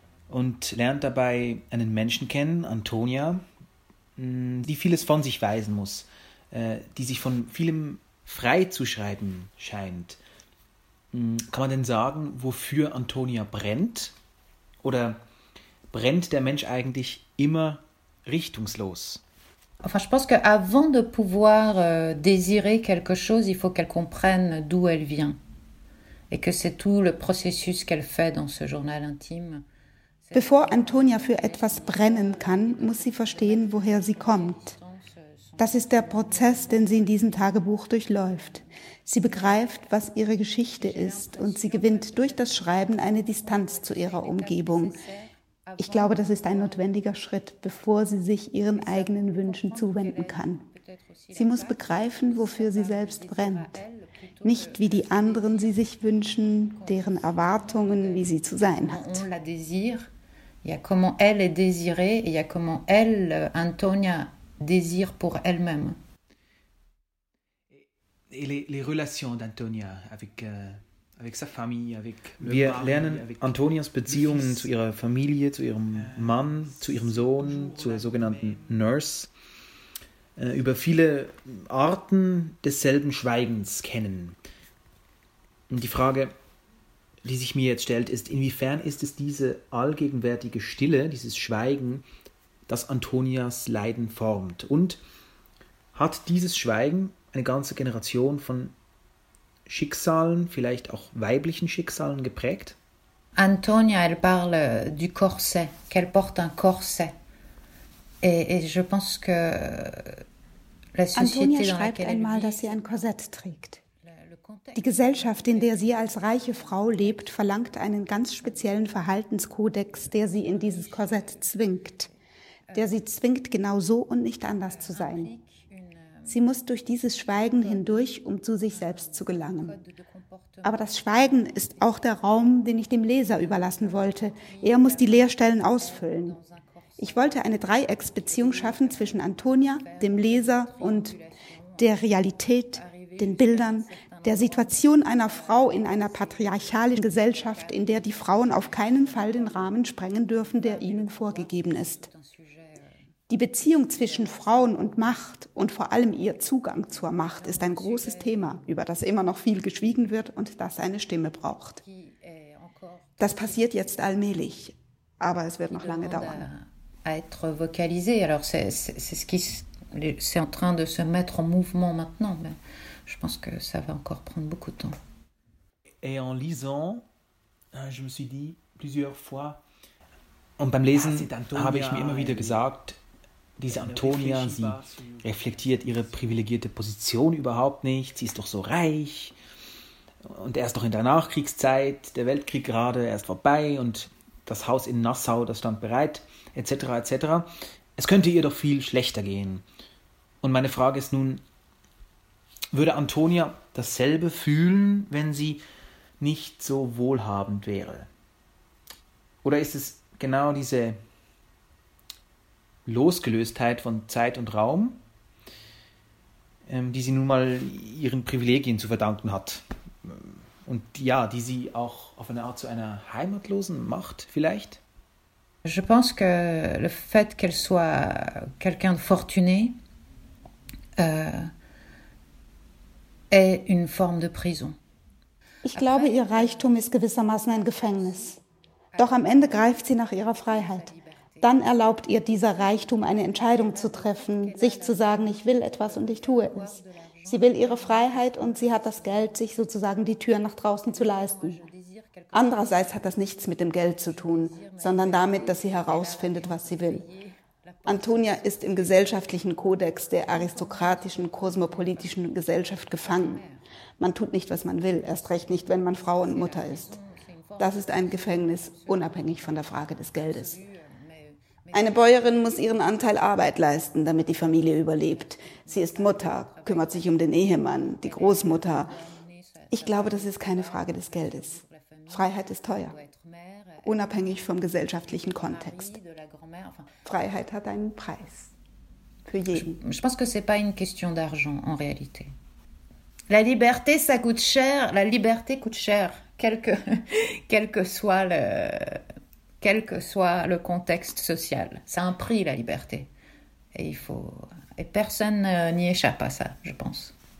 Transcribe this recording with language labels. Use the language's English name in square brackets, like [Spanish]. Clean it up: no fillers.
[German] Und lernt dabei einen Menschen kennen, Antonia, die vieles von sich weisen muss, die sich von vielem frei zu schreiben scheint. Kann man denn sagen, wofür Antonia brennt? Oder brennt der Mensch eigentlich immer richtungslos? [French] Enfin, je pense que avant de pouvoir désirer quelque chose, il faut qu'elle comprenne d'où elle vient. Et que c'est tout le processus qu'elle fait dans ce journal intime. [German] Bevor Antonia für etwas brennen kann, muss sie verstehen, woher sie kommt. Das ist der Prozess, den sie in diesem Tagebuch durchläuft. Sie begreift, was ihre Geschichte ist und sie gewinnt durch das Schreiben eine Distanz zu ihrer Umgebung. Ich glaube, das ist ein notwendiger Schritt, bevor sie sich ihren eigenen Wünschen zuwenden kann. Sie muss begreifen, wofür sie selbst brennt. Nicht wie die anderen sie sich wünschen, deren Erwartungen, wie sie zu sein hat. [French] On la désire, il y a comment elle est désirée, il y a comment elle, Antonia, désire pour elle-même. Et les relations d'Antonia avec, avec sa famille, avec le [German] Wir Mann, lernen [French] avec [German] Antonias Beziehungen zu ihrer Familie, zu ihrem Mann, zu ihrem Sohn, zur sogenannten Nurse. Über viele Arten desselben Schweigens kennen. Und die Frage, die sich mir jetzt stellt, ist, inwiefern ist es diese allgegenwärtige Stille, dieses Schweigen, das Antonias Leiden formt? Und hat dieses Schweigen eine ganze Generation von Schicksalen, vielleicht auch weiblichen Schicksalen, geprägt? [French] Antonia, elle parle du corset, qu'elle porte un corset. Et je pense que la [German] Antonia schreibt einmal, dass sie ein Korsett trägt. Die Gesellschaft, in der sie als reiche Frau lebt, verlangt einen ganz speziellen Verhaltenskodex, der sie in dieses Korsett zwingt. Der sie zwingt, genau so und nicht anders zu sein. Sie muss durch dieses Schweigen hindurch, um zu sich selbst zu gelangen. Aber das Schweigen ist auch der Raum, den ich dem Leser überlassen wollte. Er muss die Leerstellen ausfüllen. Ich wollte eine Dreiecksbeziehung schaffen zwischen Antonia, dem Leser und der Realität, den Bildern, der Situation einer Frau in einer patriarchalischen Gesellschaft, in der die Frauen auf keinen Fall den Rahmen sprengen dürfen, der ihnen vorgegeben ist. Die Beziehung zwischen Frauen und Macht und vor allem ihr Zugang zur Macht ist ein großes Thema, über das immer noch viel geschwiegen wird und das eine Stimme braucht. Das passiert jetzt allmählich, aber es wird noch lange dauern. [French] À être vocalisé. Alors c'est ce qui c'est en train de se mettre en mouvement maintenant, mais je pense que ça va encore prendre beaucoup de temps. Et en lisant, je me suis dit plusieurs fois, [German] und beim Lesen habe ich mir immer wieder gesagt, diese Antonia, sie reflektiert ihre privilegierte Position überhaupt nicht, sie ist doch so reich und erst noch in der Nachkriegszeit, der Weltkrieg gerade erst vorbei und das Haus in Nassau, das stand bereit, etc., etc. Es könnte ihr doch viel schlechter gehen. Und meine Frage ist nun, würde Antonia dasselbe fühlen, wenn sie nicht so wohlhabend wäre? Oder ist es genau diese Losgelöstheit von Zeit und Raum, die sie nun mal ihren Privilegien zu verdanken hat? Und ja, die sie auch auf eine Art zu einer Heimatlosen macht, vielleicht? [French] Je pense que le fait qu'elle soit quelqu'un de fortuné est une forme de prison. [German] Ich glaube, ihr Reichtum ist gewissermaßen ein Gefängnis. Doch am Ende greift sie nach ihrer Freiheit. Dann erlaubt ihr dieser Reichtum, eine Entscheidung zu treffen, sich zu sagen, ich will etwas und ich tue es. Sie will ihre Freiheit und sie hat das Geld, sich sozusagen die Tür nach draußen zu leisten. Andererseits hat das nichts mit dem Geld zu tun, sondern damit, dass sie herausfindet, was sie will. Antonia ist im gesellschaftlichen Kodex der aristokratischen, kosmopolitischen Gesellschaft gefangen. Man tut nicht, was man will, erst recht nicht, wenn man Frau und Mutter ist. Das ist ein Gefängnis, unabhängig von der Frage des Geldes. Eine Bäuerin muss ihren Anteil Arbeit leisten, damit die Familie überlebt. Sie ist Mutter, kümmert sich um den Ehemann, die Großmutter. Ich glaube, das ist keine Frage des Geldes. Freiheit ist teuer, unabhängig vom gesellschaftlichen Kontext. Freiheit hat einen Preis für jeden. [French] Je pense que c'est pas une question d'argent en réalité. La liberté, ça coûte cher. La liberté coûte cher, quel que soit le contexte social. C'est un prix, la liberté. Et il faut. Et personne n'y échappe à ça, je pense.